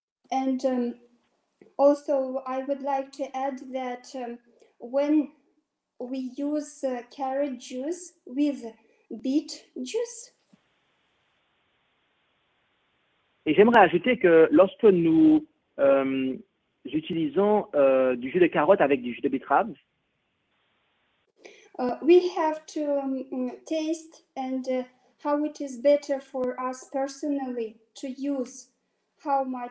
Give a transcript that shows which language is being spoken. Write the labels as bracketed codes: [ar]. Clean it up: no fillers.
[en] And also, I would like to add that when we use carrot juice with beet juice. [fr] Et j'aimerais ajouter que lorsque nous utilisons du jus de carotte avec du jus de betterave, [en] we have to taste and how it is better for us personally to use how much.